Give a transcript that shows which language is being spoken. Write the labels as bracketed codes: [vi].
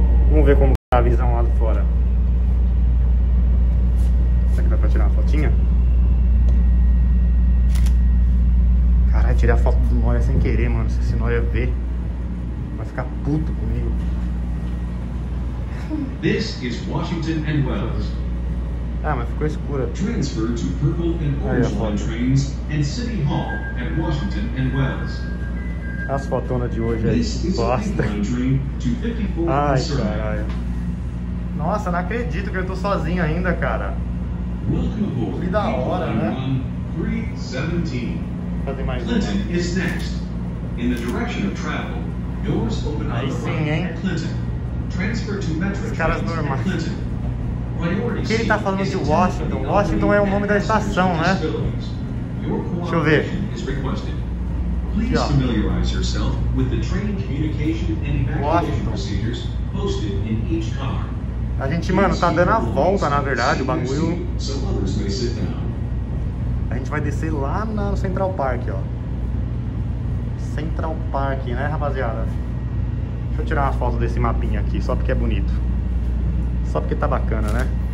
[pt] Vamos ver como tá a visão lá de fora. Será que dá pra tirar uma fotinha? Caralho, tirei a foto do Noia sem querer, mano. Se esse Noia ver, vai ficar puto comigo. [en] This is Washington and Wells. [pt] Ah, mas ficou escura. [en] Transfer to Purple and Orange Line trains and City Hall at Washington and Wells. [pt] As fotonas de hoje aí, bosta. Ai, caralho. Nossa, não acredito que eu tô sozinho ainda, cara. Que da hora, né? [en] 317. Clinton is next. In the direction of travel, doors open on the right at Clinton. Transfer to Metro Trains at Clinton. Priority seat is taken on the right at Washington and Metro Trains at Clinton. Your cooperation is requested. Please familiarize yourself with the train communication and evacuation procedures posted in each car. [pt] A gente, mano, tá dando a volta, na verdade, o bagulho. [en] So others may sit down. [pt] A gente vai descer lá no Central Park, ó. Central Park, né, rapaziada? Deixa eu tirar uma foto desse mapinha aqui, só porque é bonito. Só porque tá bacana, né?